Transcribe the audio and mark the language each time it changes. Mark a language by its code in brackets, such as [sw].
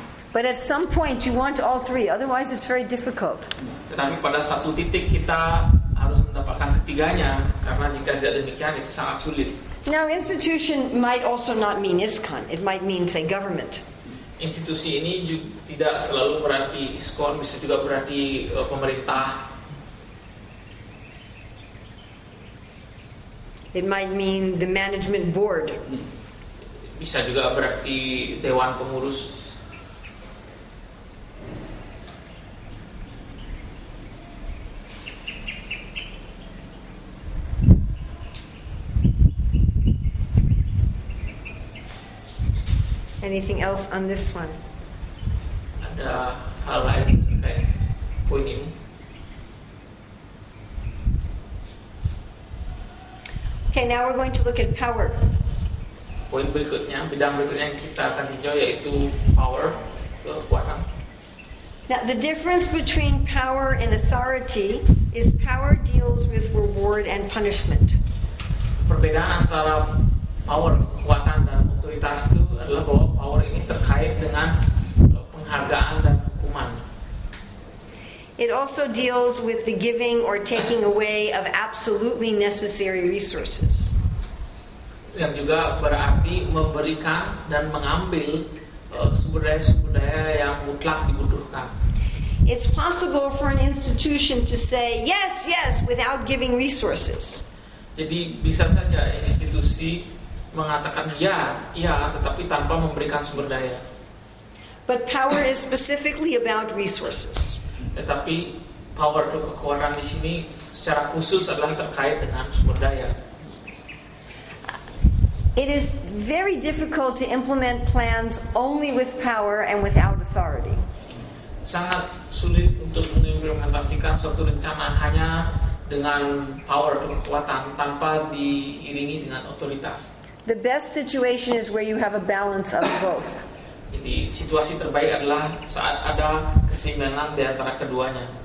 [en] But at some point you want all three, otherwise it's very difficult. [id] Tetapi pada satu titik kita harus mendapatkan ketiganya, karena jika tidak demikian itu sangat sulit. [en] Now, institution might also not mean ISKCON. It might mean, say, government. [id] Institusi ini tidak selalu berarti ISKCON, bisa juga berarti pemerintah. [en] It might mean the management board. [id] Bisa juga berarti dewan pengurus. [en] Anything else on this one? [id] Ada hal lain terkait poin ini. [en] Okay, now we're going to look at power. [id] Poin berikutnya, bidang berikutnya yang kita akan tinjau yaitu power, kekuatan. [en] Now, the difference between power and authority is power deals with reward and punishment. [id] Perbedaan antara power, kekuatan, dan otoritas itu adalah bahwa power ini terkait dengan penghargaan dan hukuman. [en] It also deals with the giving or taking away of absolutely necessary resources. [id] Yang juga berarti memberikan dan mengambil sumber daya-sumber daya yang mutlak dibutuhkan. [en] It's possible for an institution to say yes, yes without giving resources. [id] Jadi bisa saja institusi mengatakan ya, ya, tetapi tanpa memberikan sumber daya. [en] But power is specifically about resources. [id] Tetapi power atau kekuatan di sini secara khusus adalah terkait dengan sumber daya. [en] It is very difficult to implement plans only with power and without authority. [id] Sangat sulit untuk mengimplementasikan suatu rencana hanya dengan power atau kekuatan tanpa diiringi dengan otoritas. [en] The best situation is where you have a balance of both. [id] Jadi situasi terbaik adalah saat ada keseimbangan di antara keduanya.